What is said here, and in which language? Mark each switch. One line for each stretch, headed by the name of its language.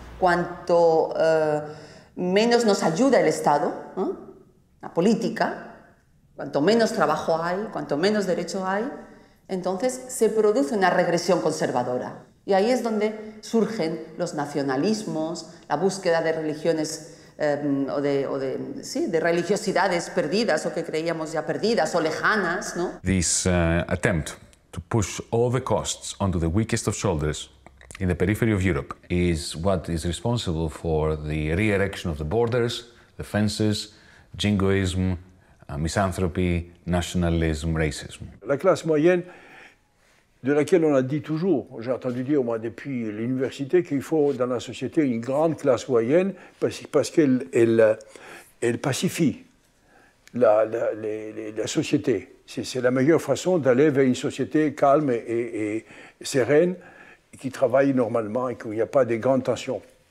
Spanish: Cuanto menos nos ayuda el Estado, la política, cuanto menos trabajo hay, cuanto menos derecho hay, entonces se produce una regresión conservadora. Y ahí es donde surgen los nacionalismos, la búsqueda de religiones de religiosidades perdidas o que creíamos ya perdidas o lejanas, ¿no?
English: This attempt to push all the costs onto the weakest of shoulders in the periphery of Europe is what is responsible for the re-erection of the borders, the fences, jingoism, misanthropy, nationalism, racism.
French: La classe moyenne, de laquelle on a dit toujours, j'ai entendu dire moi depuis l'université, qu'il faut dans la société une grande classe moyenne parce qu'elle elle pacifie la société. C'est la meilleure façon d'aller vers une société calme et sereine, qui travaille normalement et où il n'y a pas de grandes tensions.